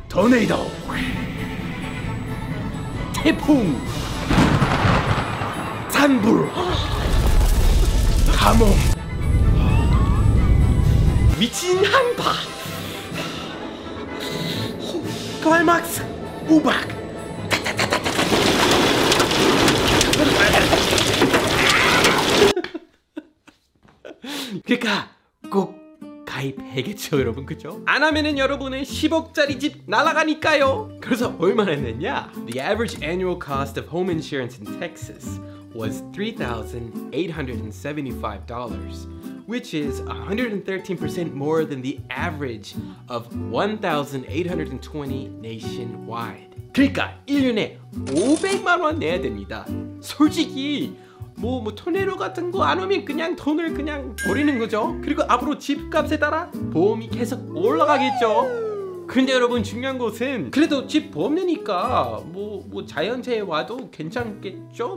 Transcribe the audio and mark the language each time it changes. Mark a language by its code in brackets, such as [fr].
[ko] 토네이도, 태풍, 산불, 가뭄, 미친 한파, 클라이막스, 우박. 그러니까 꼭 가입해야겠죠 여러분. 그죠? 안 하면은 여러분의 10억짜리 집 날아가니까요. 그래서 얼마나 냈냐? [en] The average annual cost of home insurance in Texas was $3,875, which is 113% more than the average of 1,820 nationwide. [ko] 그러니까 1년에 500만 원 내야 됩니다. 솔직히 뭐 토네로 같은 거 안 오면 그냥 돈을 그냥 버리는 거죠. 그리고 앞으로 집값에 따라 보험이 계속 올라가겠죠. 근데 여러분 중요한 것은 그래도 집 보험이니까 뭐 자연재해 와도 괜찮겠죠.